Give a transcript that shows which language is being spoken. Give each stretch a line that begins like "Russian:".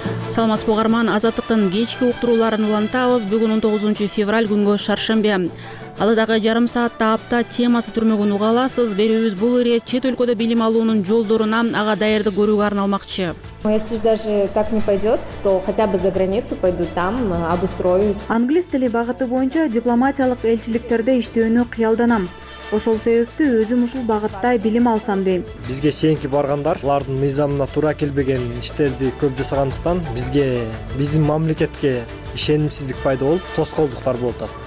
Kyrgyz: Саламат Бугарман, Азаттыктын кечки уктурууларын улантабыз. Бүгүн 19 февраль, күнгө шаршемби. Алдыдагы жарым саатта апта темасы түрмөгүн уга аласыз. Берүүбүз бул ири чет өлкөдө билим алуунун жолдоруна ага даярды көрүүгө арналмакчы.
Russian: Если даже так не пойдет, то хотя бы за границу пойду, там обустроюсь.
Kyrgyz: Англис тили багыты боюнча дипломатиялык элчиликтерде иштөөнү кыялданам. Ошол себептүү өзүм ушул багытта билим алсам дейм. Бизге чейинки баргандар, алардын мыйзамына туура келбеген иштерди көп жасагандыктан бизге, биздин мамлекетке ишенимсиздик пайда болуп, тоскоолдуктар болуп атат.